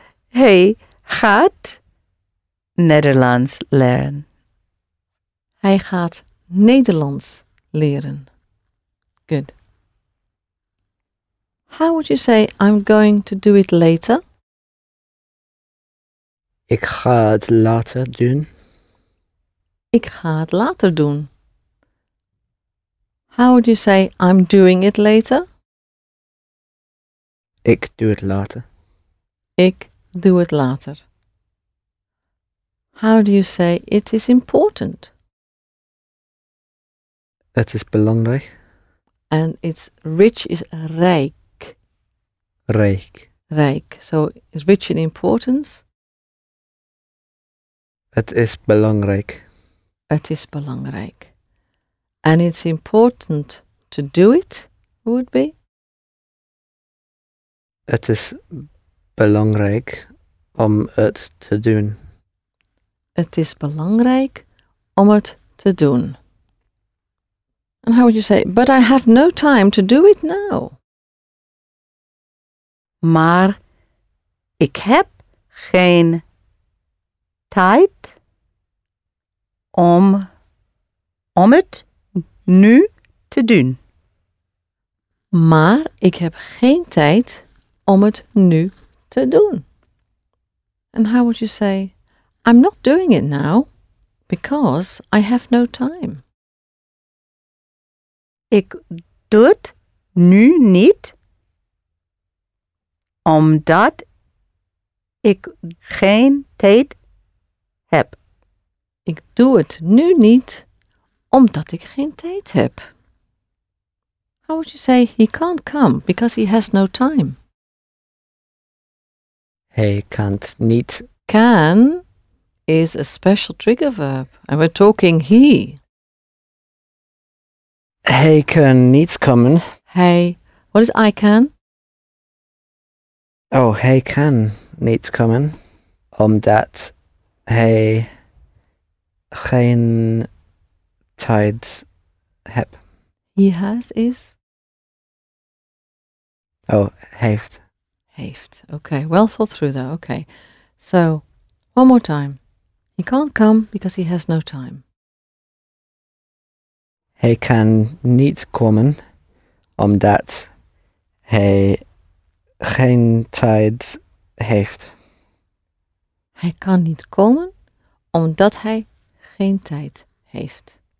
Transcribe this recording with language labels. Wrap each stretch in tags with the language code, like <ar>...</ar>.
<nl>Hij gaat Nederlands leren. Hij gaat Nederlands leren.</nl> <en>Good. How would you say, I'm going to do it later?</en> <nl>Ik ga het later doen. Ik ga het later doen.</nl> <en>How would you say, I'm doing it later?</en> <nl>Ik doe het later. Ik doe het later.</nl> <en>How do you say it is important?</en> <nl>Het is belangrijk.</nl> <en>And it's rich is rijk.</en> <nl>Rijk.</nl> <en>Rijk. So is rich in importance?</en> <nl>Het is belangrijk. Het is belangrijk.</nl> <en>And it's important to do it would be?</en> <nl>Het is belangrijk om het te doen. Het is belangrijk om het te doen.</nl> <en>And how would you say, but I have no time to do it now?</en> <nl>Maar ik heb geen tijd om het nu te doen. Maar ik heb geen tijd om het nu te doen.</nl> <en>And how would you say, I'm not doing it now because I have no time.</en> <nl>Ik doe het nu niet omdat ik geen tijd heb. Ik doe het nu niet omdat ik geen tijd heb.</nl> <en>How would you say he can't come because he has no time?</en> <nl>Hij kan niet.</nl> <en>Can is a special trigger verb and we're talking he.</en> <nl>Hij kan niet komen.</nl> <en>Hij, what is I can?</en> <nl>Oh, hij kan niet komen, omdat hij geen tijd heb.</nl> <en>He has is?</en> <nl>Oh, heeft.</nl> <en>Heeft, okay, well thought through though, okay. So, one more time. He can't come because he has no time.</en> <nl>Hij kan niet komen omdat hij geen tijd heeft. Hij kan niet komen omdat hij geen tijd heeft.</nl>